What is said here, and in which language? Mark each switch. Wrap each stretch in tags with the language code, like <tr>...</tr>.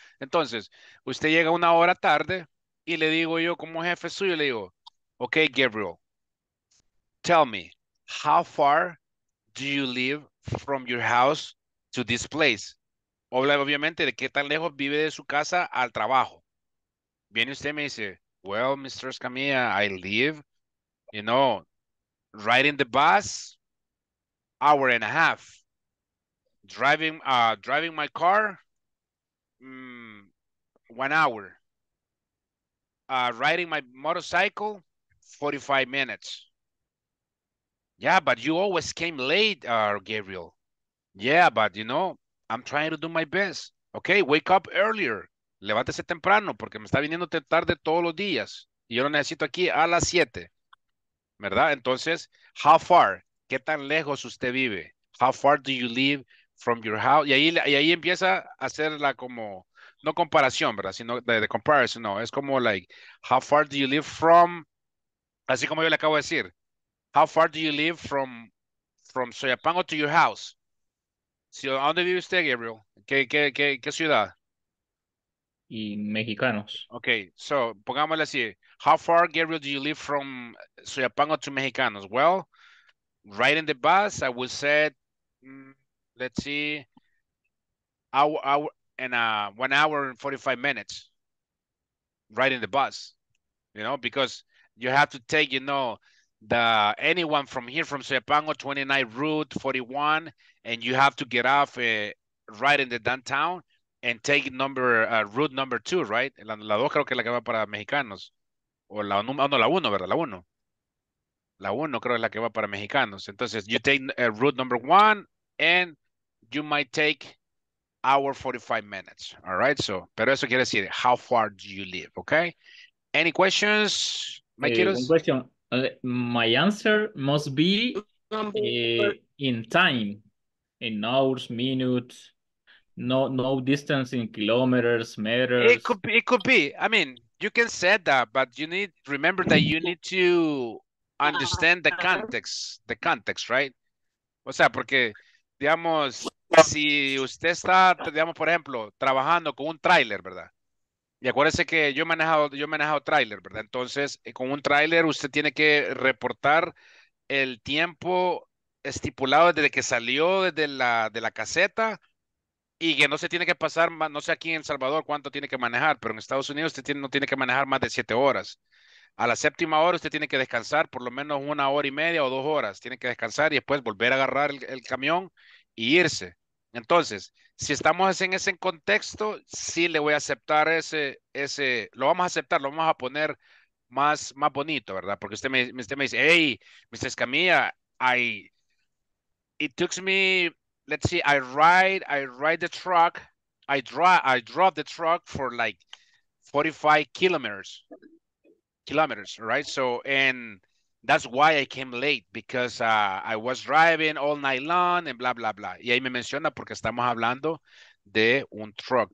<es>Entonces, usted llega una hora tarde y le digo yo, como jefe suyo, le digo, okay, Gabriel,</es> <en>tell me, how far do you live from your house to this place?</en> <es>Obviamente, ¿de qué tan lejos vive de su casa al trabajo? Viene usted y me dice, well, Mr.</es> <en>Escamilla, I live, you know, riding the bus, hour and a half. Driving my car, 1 hour. Riding my motorcycle, 45 minutes. Yeah, but you always came late, Gabriel. Yeah, but you know, I'm trying to do my best. Okay, wake up earlier.</en> <es>Levántese temprano porque me está viniendo tarde todos los días. Y yo lo necesito aquí a las 7. ¿Verdad? Entonces,</es> <en>how far?</en> <es>¿Qué tan lejos usted vive?</es> <en>How far do you live from your house?</en> <es>Y ahí empieza a hacer la como, no comparación, ¿verdad? Sino de</es> <en>comparison, no.</en> <es>Es como</es> <en>like, how far do you live from,</en> <es>así como yo le acabo de decir,</es> <en>how far do you live from Soyapango to your house?</en> <es>¿Sí, dónde vive usted, Gabriel? ¿Qué ciudad? Y Mexicanos.</es> <en>Okay, so,</en> <es>pongámosle así,</es> <en>how far, Gabriel, do you live from Soyapango to Mexicanos? Well, riding the bus, I would say, let's see, hour and 1 hour and 45 minutes riding the bus, you know, because you have to take, you know, anyone from here, from Soyapango, 29 route 41, and you have to get off right in the downtown and take route number 2, right?</en> <es>La 2 creo que es la que va para Mexicanos. O la 1, no, ¿verdad? La 1. La 1 creo que es la que va para Mexicanos.</es> <en>Entonces, you take route number 1, and you might take hour 45 minutes, all right? So,</en> <es>pero eso quiere decir,</es> <en>how far do you live, okay? Any questions, my kiddos? One question. My answer must be in time, in hours, minutes, no distance in kilometers, meters. It could be. I mean, you can say that, but you need remember that you need to understand the context, right?</en> <es>O sea, porque, digamos, si usted está, digamos, por ejemplo, trabajando con un tráiler, ¿verdad? Y acuérdese que yo he manejado tráiler, ¿verdad? Entonces, con un tráiler usted tiene que reportar el tiempo estipulado desde que salió desde de la caseta y que no se tiene que pasar más, no sé aquí en El Salvador cuánto tiene que manejar, pero en Estados Unidos usted no tiene que manejar más de 7 horas. A la séptima hora usted tiene que descansar por lo menos 1 hora y media o 2 horas. Tiene que descansar y después volver a agarrar el camión e irse. Entonces, si estamos en ese contexto, sí le voy a aceptar ese, lo vamos a aceptar, lo vamos a poner más bonito, ¿verdad? Porque usted me dice, hey, Mr.</es> <en>Escamilla, I drove the truck for like 45 kilometers. Kilometers, right? So, and that's why I came late, because I was driving all night long and blah, blah, blah.</en> <es>Y ahí me menciona porque estamos hablando de un</es> <en>truck.</en>